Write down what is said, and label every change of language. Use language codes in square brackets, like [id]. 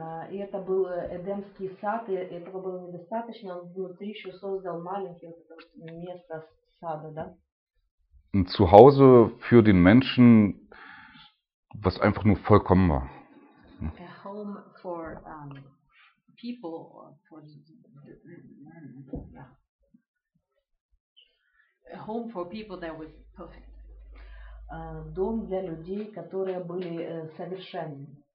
[ru] И это был Эдемский сад, и этого было недостаточно, он внутри еще создал маленькое место сада, да? [de] Ein Zuhause für den Menschen, was einfach nur vollkommen war. [en] A home for people or for a home for people that was perfect. [ru] Дом для людей, которые были совершенны.